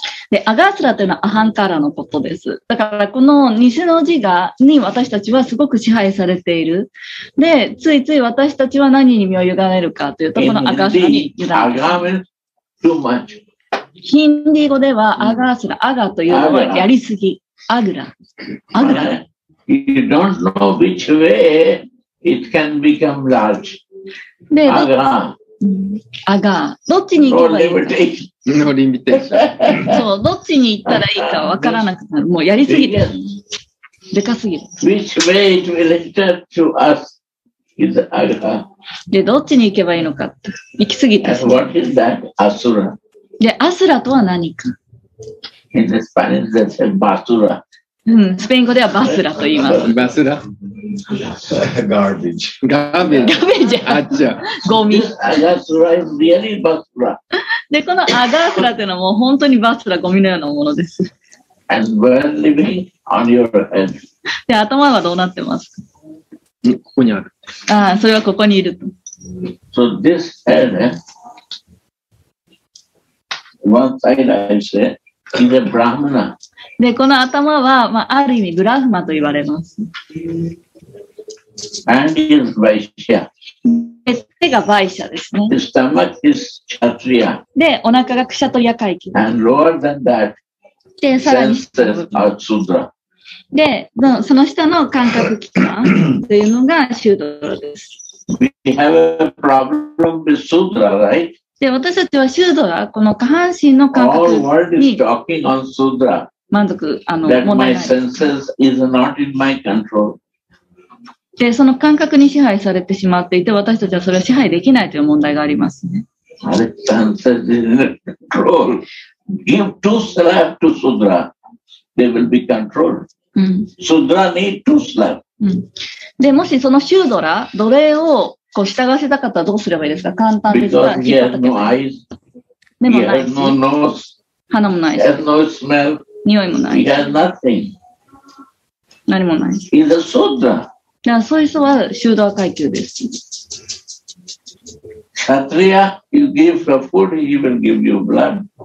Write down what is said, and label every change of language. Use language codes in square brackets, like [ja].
[ja] で、アガスラというのはアハンカーラのことです。だから、この偽の自我に私たちはすごく支配されている。で、ついつい私たちは何に身を委ねるかというと、このアガスラに委ねる。 [en] アガメ too much. [ja] ヒンディー語ではアガースラ、アガというのはやりすぎ、アグラ、アグラ。 [en] You don't know which way it can become large. [ja] で、アガアガどっちに行けばいいか。ノーリミテーション。そう、どっちに行ったらいいかわからなくなる。もうやりすぎてる。でかすぎる。 [en] Which way it will enter to us is Aga. [ja] で、どっちに行けばいいのか。行きすぎた。 [en] And what is that? Asura. [ja] で、アスラとは何か。 [en] In Spanish, they say basura. [ja] うん、スペイン語ではバスラと言います。バスラ。ガーベージ。ガーベージ。ガーベージ。あっちゃ。ゴミ。 [en] アガスラ is really バスラ。 [ja] で、このアガスラっていうのはもう本当にバスラ、ゴミのようなものです。 [en] And burn living on your head. [ja] で、頭はどうなってますか？ここにある。ああ、それはここにいると。 [en] So this head, one side I say, is a Brahmana. [ja] で、この頭は、まあ、ある意味、ブラフマと言われます。 [en] And is Vaishya. [ja] 手がバイシャですね。 [en] The stomach is Kshatriya. [ja] で、お腹がクシャトリヤカイキ。 [en] And lower than that, [ja] で、さらに、 [en] Shudra. [ja] で、その下の感覚器官というのがシュードラです。 [en] We have a problem with Shudra, right? [ja] で、私たちはシュードラ、この下半身の感覚に。 [en] All world is talking on Shudra. [ja] 満足あの [en] That my senses is not in my control. [ja] で、その感覚に支配されてしまっていて、私たちはそれを支配できないという問題がありますね。 [en] My senses is in control. Give two slap to Shudra, they will be controlled. Shudra need two slap. [ja] で、もしそのシュードラ、奴隷をこう従わせたかったらどうすればいいですか？簡単ですが、 [en] Because he has no eyes. [ja] でもないし。 [en] He has no nose. [ja] 鼻もないし。 [en] He has no smell. [ja] 匂いもない。 [en] He has nothing. [ja] 何もない。 [en] He's a Shudra. [ja] じゃあ、そういう人はシュードラ階級です。 [en] Kshatriya, you give your food, he will give you blood.